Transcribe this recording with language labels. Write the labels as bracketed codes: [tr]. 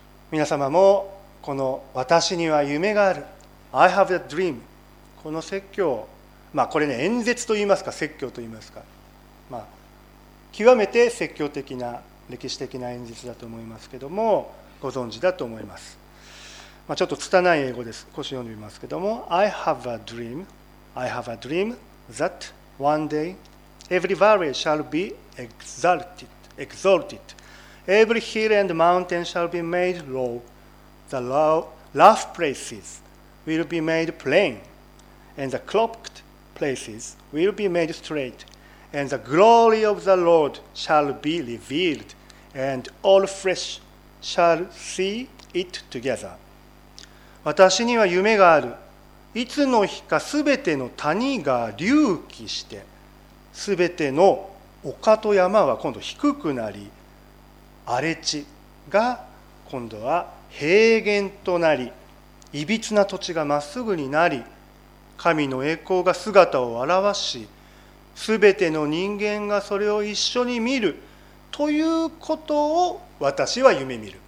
[ja] 皆様もこの私には夢がある、 [en] I have a dream、 [ja] この説教、これね、演説といいますか説教といいますか、極めて説教的な歴史的な演説だと思いますけども、ご存知だと思います。ちょっと拙い英語です、少し読んでみますけども、 [en] I have a dream that one day every valley shall be exalted, every hill and mountain shall be made low, the rough places will be made plain, and the cropped places will be made straight, And the glory of the Lord shall be revealed, and all flesh shall see it together. [ja] 私には夢がある。いつの日かすべての谷が隆起して、すべての丘と山は今度低くなり、荒れ地が今度は平原となり、いびつな土地がまっすぐになり、神の栄光が姿を現し、すべての人間がそれを一緒に見るということを私は夢見る。